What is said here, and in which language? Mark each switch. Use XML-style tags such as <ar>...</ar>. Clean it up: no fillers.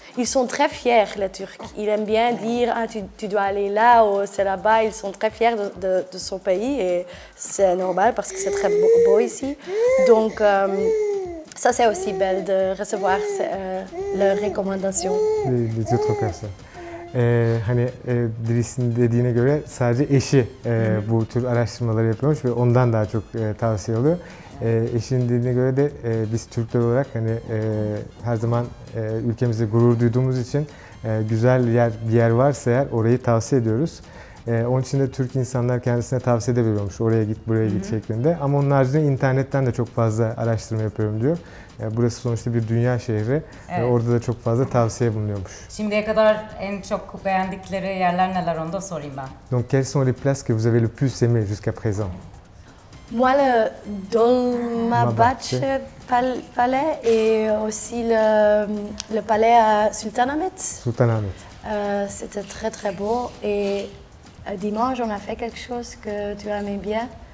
<fr>Ils sont très fiers, les Turcs. Ils aiment bien dire ah, tu dois aller là ou c'est là-bas. Ils sont très fiers de son pays et c'est normal parce que c'est très beau ici. Donc ça, c'est aussi belle de recevoir leurs recommandations. Les autres personnes.</fr> <tr>Hani Dries'in dediğine göre sadece eşi bu tür araştırmaları yapıyormuş ve ondan daha çok tavsiye alıyor. Eşinin dediğine göre de biz Türkler olarak hani her zaman ülkemizde gurur duyduğumuz için güzel bir yer varsa eğer orayı tavsiye ediyoruz. Onun için de Türk insanlar kendisine tavsiye edebiliyormuş oraya git buraya git şeklinde. Ama onun haricinde internetten de çok fazla araştırma yapıyorum diyor. Burası sonuçta bir dünya şehri. Evet. Orada da çok fazla tavsiye bulunuyormuş. Şimdiye kadar en çok beğendikleri yerler neler onu da sorayım ben.</tr> <fr>Donc quelles sont les places que vous avez le plus aimé jusqu'à présent? Moi le Dolmabahçe Palais et aussi le Palais à Sultanahmet. C'était très très beau et dimanche on a fait quelque chose que tu aimais bien.</fr>